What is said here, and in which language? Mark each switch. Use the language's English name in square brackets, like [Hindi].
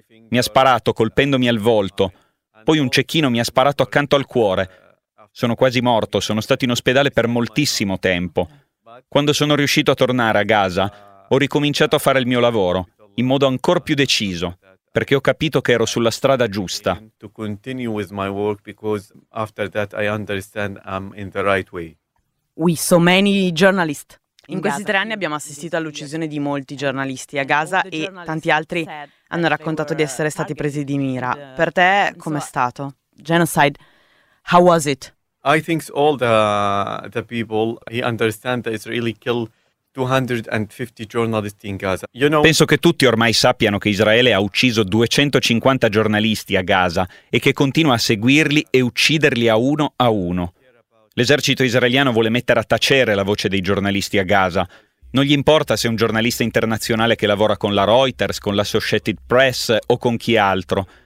[Italian] Mi ha sparato colpendomi al volto. Poi un cecchino mi ha sparato accanto al cuore. Sono quasi morto, sono stato in ospedale per moltissimo tempo. Quando sono riuscito a tornare a Gaza, ho ricominciato a fare il mio lavoro, in modo ancora più deciso, perché ho capito che ero sulla strada giusta. [English] To continue with my work because after that I understand I'm in the right way. We so many journalists. [Italian] In questi tre anni abbiamo assistito all'uccisione di molti giornalisti a Gaza e tanti altri hanno raccontato di essere stati presi di mira. Per te com'è stato? [English] Genocide, how was it? I think all the people he understand the Israeli kill 250 journalists in Gaza. You know, [Italian] penso che tutti ormai sappiano che Israele ha ucciso 250 giornalisti a Gaza e che continua a seguirli e ucciderli a uno. L'esercito israeliano vuole mettere a tacere la voce dei giornalisti a Gaza. Non gli importa se è un giornalista internazionale che lavora con la Reuters, con l'Associated Press o con chi altro.